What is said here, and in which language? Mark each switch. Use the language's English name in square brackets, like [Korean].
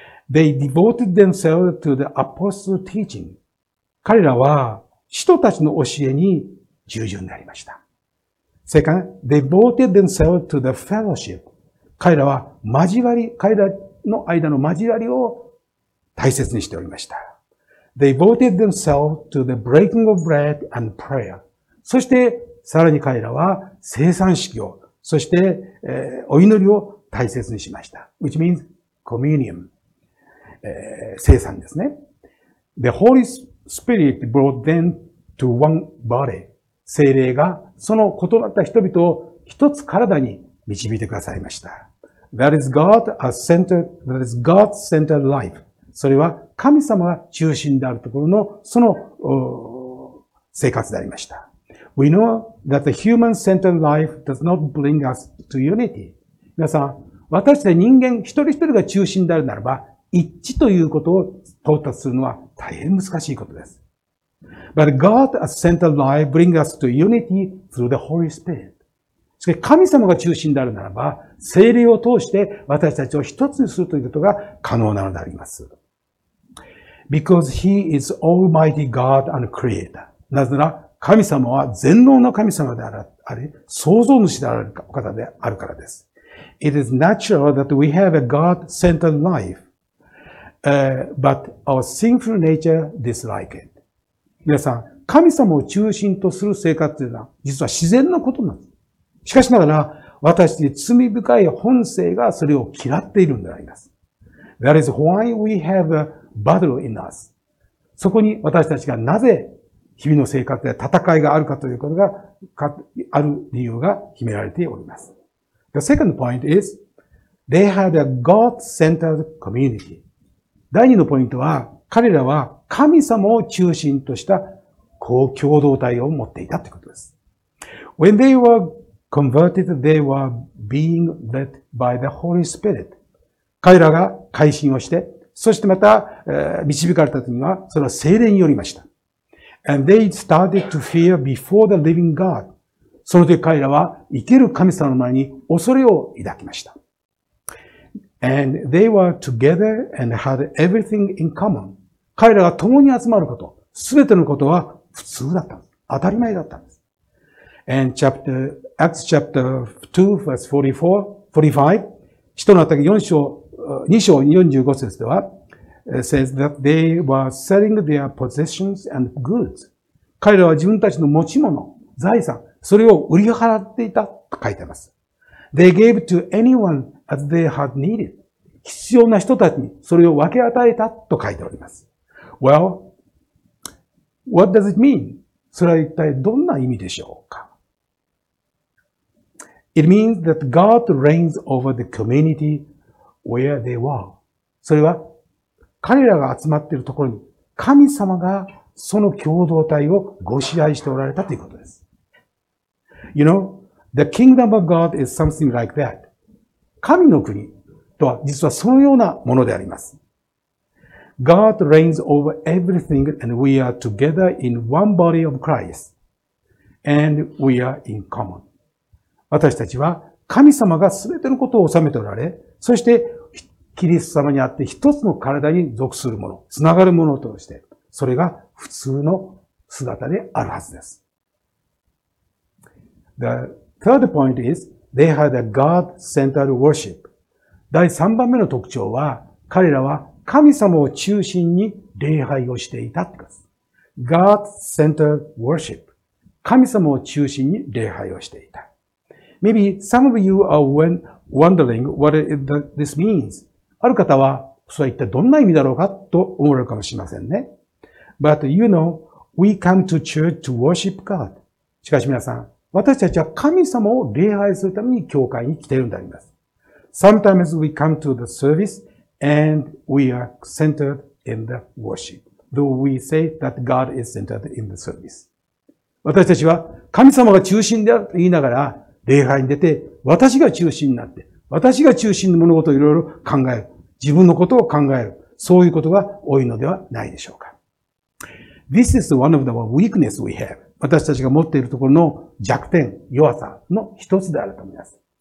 [English] They devoted themselves to the apostles' teaching. [Japanese] 彼らは使徒たちの教えに従順になりました。 [English] Second, they devoted themselves to the fellowship. [Japanese] 彼らは交わり、彼らの間の交わりを大切にしておりました。 [English] They devoted themselves to the breaking of bread and prayer. [Japanese] そして、さらに彼らは聖餐式を、そして、お祈りを大切にしました。 [English] Which means communion. [Japanese] 聖餐ですね。 [English] The Holy Spirit brought them to one body. [Japanese] 聖霊がその異なった人々を一つ体に導いてくださいました。 [English] That is God a center, that is God's center life. [Japanese] それは神様が中心であるところのその生活でありました。 [English] We know that the human center life does not bring us to unity. [Japanese] 皆さん、私たち人間一人一人が中心であるならば、一致ということを到達するのは大変難しいことです。 [English] But God as center life brings us to unity through the Holy Spirit. [Japanese] しかし神様が中心であるならば、聖霊を通して私たちを一つにするということが可能なのであります。 [English] Because He is Almighty God and Creator. [Japanese] なぜなら、神様は全能の神様である、あれ、創造主であるお方であるからです。 [English] It is natural that we have a God-centered life. But our sinful nature dislike it. [Japanese] 皆さん、神様を中心とする生活というのは、実は自然なことなんです。しかしながら、私に罪深い本性がそれを嫌っているんであります。 [English] That is why we have a battle in us. [Japanese] そこに私たちがなぜ、日々の生活で戦いがあるかということが、ある理由が秘められております。 [English] The second point is, they had a God-centered community. [Japanese] 第二のポイントは、彼らは神様を中心とした共同体を持っていたということです。 [English] When they were converted, they were being led by the Holy Spirit. [Japanese] 彼らが改心をして、そしてまた、導かれた時には、それは聖霊によりました。 [English] And they started to fear before the living God. [Japanese] その時彼らは生きる神様の前に恐れを抱きました。 [English] And they were together and had everything in common. [Japanese] 彼らが共に集まること、すべてのことは普通だったんです。当たり前だったんです。 [English] And chapter, Acts chapter 2 verse 44-45, [Japanese] 使徒の働き2章45節では、 [English] says that they were selling their possessions and goods. [Japanese] 彼らは自分たちの持ち物、財産、それを売り払っていたと書いてます。 [English] They gave to anyone as they had needed. [Japanese] 必要な人たちにそれを分け与えたと書いております。 [English] Well, what does it mean? [Japanese] それは一体どんな意味でしょうか? [English] It means that God reigns over the community where they were. [Japanese] それは彼らが集まっているところに神様がその共同体をご支配しておられたということです。 [English] You know,The kingdom of God is something like that. [Japanese] 神の国とは実はそのようなものであります。 [English] God reigns over everything and we are together in one body of Christ. And we are in common. [Japanese] 私たちは神様が全てのことを治めておられ、そしてキリスト様にあって一つの体に属するもの、つながるものとして、それが普通の姿であるはずです。 [English] Third point is, they had a God-centered worship. [Japanese] 第3番目の特徴は、彼らは神様を中心に礼拝をしていたってことです。 [English] God-centered worship. [Japanese] 神様を中心に礼拝をしていた。 [English] Maybe some of you are wondering what this means. [Japanese] ある方は、それは一体どんな意味だろうかと思われるかもしれませんね。 [English] But you know, we come to church to worship God. [Japanese] しかし皆さん、私たちは神様を礼拝するために教会に来ているんであります。 [English] Sometimes we come to the service and we are centered in the worship, though we say that God is centered in the service. [Japanese] 私たちは神様が中心であると言いながら礼拝に出て、私が中心になって、私が中心の物事をいろいろ考える。自分のことを考える、そういうことが多いのではないでしょうか。 [English] This is one of the weakness we have. [Japanese] 私たちが持っているところの弱点、弱さの一つであると思います。